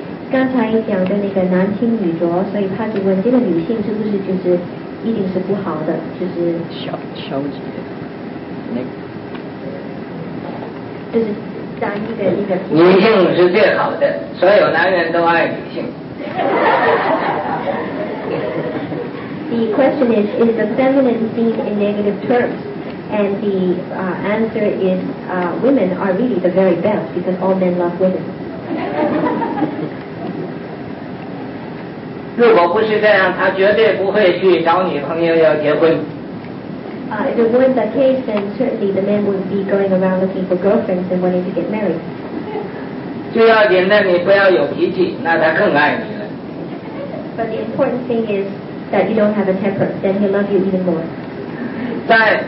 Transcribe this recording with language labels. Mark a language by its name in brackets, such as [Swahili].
[Chinese] 刚才讲的那个男轻女浊，所以他就问这个女性是不是就是一定是不好的，就是消极的，就是当一个女性是最好的，所有男人都爱女性。 [English] The question is the feminine seen in negative terms? And the answer is women are really the very best because all men love women. [Chinese] 如果不是这样，他绝对不会去找女朋友要结婚。 [English] If it weren't the case, then certainly the men would be going around looking for girlfriends and wanting to get married. [Chinese] 最要紧的，你不要有脾气，那他更爱你了。 [English] But the important thing is that you don't have a temper, then he'll love you even more.